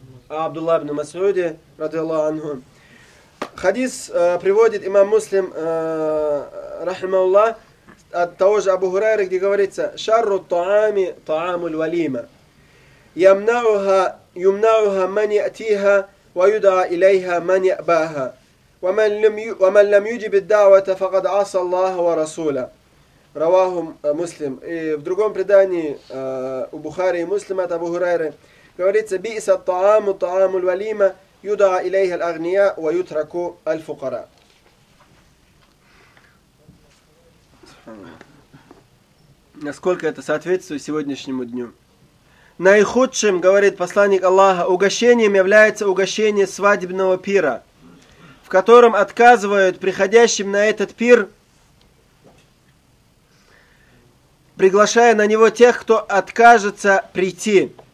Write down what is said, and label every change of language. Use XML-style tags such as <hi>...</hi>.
<ru>О Абдуллах ибн Масуде, ради Аллаху анху. Хадис приводит имам Муслим, рахималлах, от того же Абу Хурайры, где говорится,</ru> <ar>«Шарру таами таамул валима, ямнауха мани атиха, ва юдаа илейха мани абаха». ومن لم يجب الدعوة فقد عصى الله ورسوله رواه مسلم.</ar> <ru>И в другом предании у Бухари и Муслима от Абу Хурайры говорится:</ru> <ar>بئس الطعام طعام الوليمة يدعى إليه الأغنياء ويترك الفقراء.</ar> <ru>Насколько это соответствует сегодняшнему дню? Наихудшим, говорит посланник Аллаха, угощением является угощение свадебного пира, в котором отказывают приходящим на этот пир, приглашая на него тех, кто откажется прийти.</ru>